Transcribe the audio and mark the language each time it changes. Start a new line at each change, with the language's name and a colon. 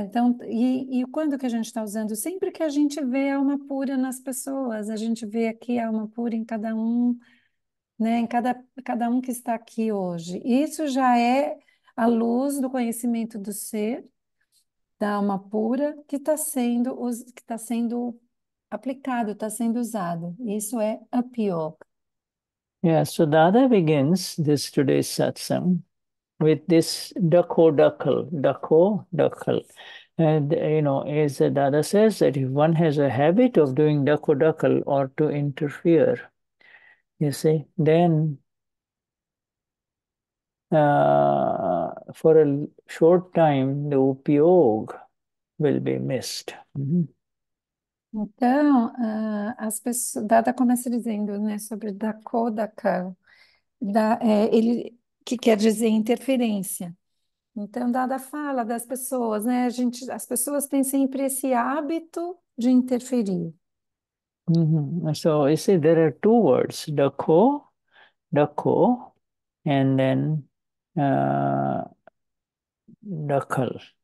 Portuguese: Então, e quando que a gente está usando? Sempre que a gente vê a alma pura nas pessoas, a gente vê aqui a alma pura em cada um, né? Em cada um que está aqui hoje. Isso já é a luz do conhecimento do ser, da alma pura, que está sendo aplicado, está sendo usado. Isso é a pior.
English: Yeah, so Dada begins this today's satsang with this dakho dakho, and you know, as Dada says, that if one has a habit of doing dakho dakho or to interfere, you see, then for a short time the upyog will be missed.
Portuguese: Então, as pessoas, Dada começa dizendo, né, sobre dakodaka, ele que quer dizer interferência. Então, Dada fala das pessoas, né, as pessoas têm sempre esse hábito de interferir.
English: So you see, there are two words, dako, and then dakkal.